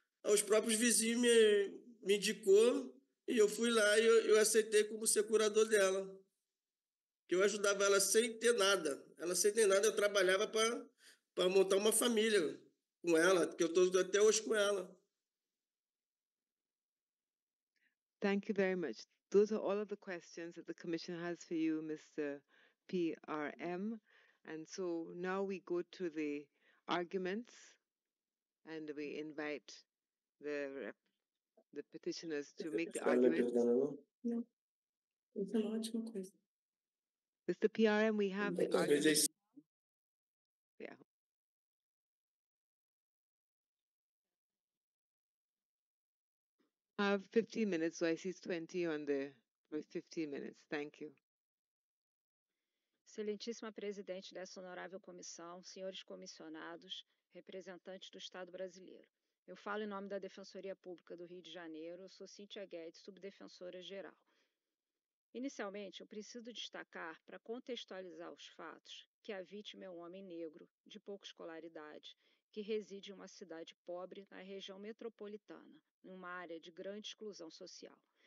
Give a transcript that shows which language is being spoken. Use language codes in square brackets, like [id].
[pt] Os próprios vizinhos me indicou e eu fui lá e eu aceitei como ser curador dela. Que eu ajudava ela sem ter nada. Ela sem ter nada, eu trabalhava para montar uma família com ela, que eu estou até hoje com ela. [en] Thank you very much. Those are all of the questions that the Commission has for you, Mr. PRM. And so now we go to the arguments and we invite the petitioners to make the arguments. Yeah. Mr. PRM, we have the arguments. I have 15 minutes, so I see 20 on the 15 minutes. Thank you. [pt] Excelentíssima presidente dessa honorável comissão, senhores comissionados, representantes do Estado brasileiro. Eu falo em nome da Defensoria Pública do Rio de Janeiro, eu sou Cíntia Guedes, subdefensora geral. Inicialmente, eu preciso destacar, para contextualizar os fatos, que a vítima é um homem negro, de pouca escolaridade, que reside em uma cidade pobre na região metropolitana, numa área de grande exclusão social.